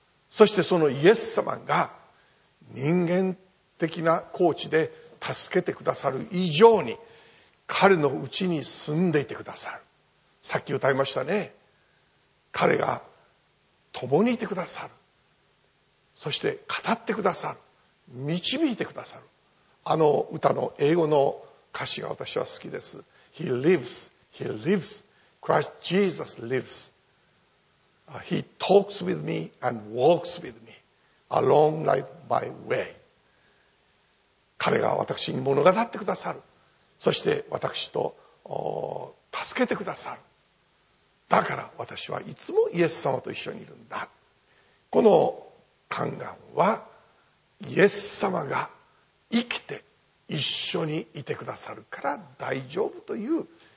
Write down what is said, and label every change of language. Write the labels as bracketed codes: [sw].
[ja] そしてそのイエス様が人間的なコーチで助けてくださる以上に彼のうちに住んでいてくださる、さっき歌いましたね、彼が共にいてくださる、そして語ってくださる、導いてくださる、あの歌の英語の歌詞が私は好きです。 [en] He lives, He lives, Christ Jesus lives, He talks with me and walks with me along like my way。 [ja] 彼が私に物語ってくださる、そして私と助けてくださる、だから私はいつもイエス様と一緒にいるんだ。この宦官はイエス様が生きて一緒にいてくださるから大丈夫という